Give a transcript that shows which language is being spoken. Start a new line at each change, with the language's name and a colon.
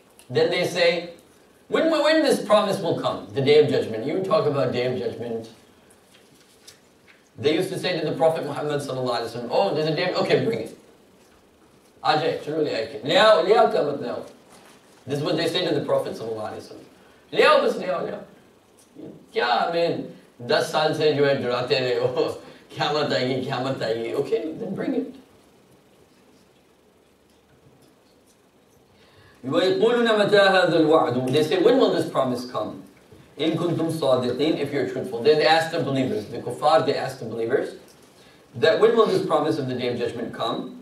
English: Then they say, when this promise will come, the Day of Judgment. You talk about Day of Judgment. They used to say to the Prophet Muhammad sallallahu alaihi wasallam, oh, there's a Day of Judgment. Okay, bring it. Ajay, truly,
Urdu: liao,
English: come up now. This is what they say to the Prophet sallallahu alaihi wasallam.
Urdu: لاؤ، بس لاؤ، لاؤ. کیا،
English: I mean،
Urdu: 10 سال سے جو ہے ڈراتے رہے ہو، کیا مت آئی.
English: Okay, then bring it.
Arabic: وَيَقُولُونَ مَتَى هَذَا الْوَعْدُ.
English: They say, when will this promise come?
Arabic: إِن كُنْتُمْ صَادِقِينَ.
English: If you're truthful. Then they ask the believers, the kuffar, they ask the believers, that when will this promise of the Day of Judgment come?